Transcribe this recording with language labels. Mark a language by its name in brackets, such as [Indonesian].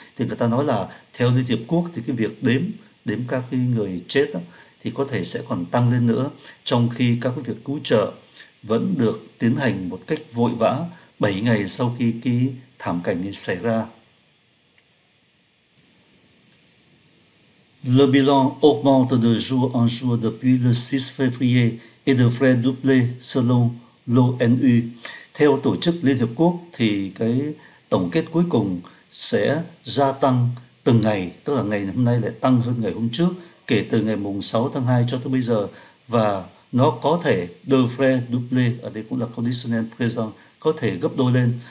[Vietnamese] Thì người ta nói là theo Liên Hiệp Quốc thì cái việc đếm đếm các cái người chết đó, thì có thể sẽ còn tăng lên nữa, trong khi các cái việc cứu trợ vẫn được tiến hành một cách vội vã 7 ngày sau khi cái thảm cảnh này xảy ra. [French] Le bilan augmente de jour en jour depuis le 6 février et devrait doubler selon l'ONU. [Vietnamese] Theo Tổ chức Liên Hiệp Quốc thì cái tổng kết cuối cùng sẽ gia tăng từng ngày, tức là ngày hôm nay lại tăng hơn ngày hôm trước, kể từ ngày mùng 6 tháng 2 cho tới bây giờ, và nó có thể [French] devrait doubler, [Vietnamese] ở đây cũng là conditionnel present, có thể gấp đôi lên.